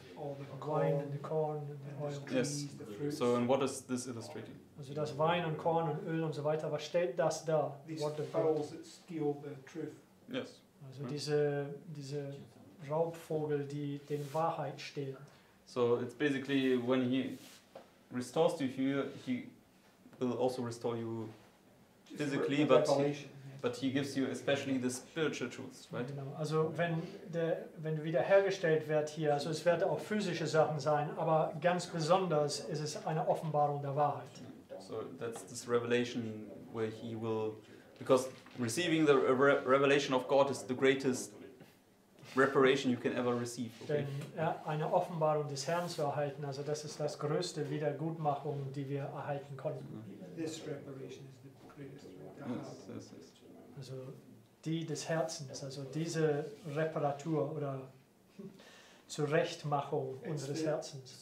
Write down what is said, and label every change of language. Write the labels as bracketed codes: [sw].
[en] All the wine and the corn and the oil. Yes. So and what is this illustrating? [de] Also das Wein und Korn und Öl und so weiter, was steht das da? [en] These fowls that steal the truth. Yes. [de] Also diese Raubvogel, die den Wahrheit stehlen. [en] So it's basically when he restores you here, he will also restore you physically, but he gives you especially the spiritual truths, right? [de] Genau. Also wenn du wiederhergestellt wird hier, also es werden auch physische Sachen sein, aber ganz besonders ist es eine Offenbarung der Wahrheit. [en] So that's this revelation where he will, because receiving the revelation of God is the greatest reparation you can ever receive. Okay? [de] Denn eine Offenbarung des Herrn zu erhalten, also das ist das größte Wiedergutmachung, die wir erhalten konnten. [en] This reparation is the greatest. Yes, yes, yes. [de] Also die des Herzens, also diese Reparatur oder Zurechtmachung unseres Herzens.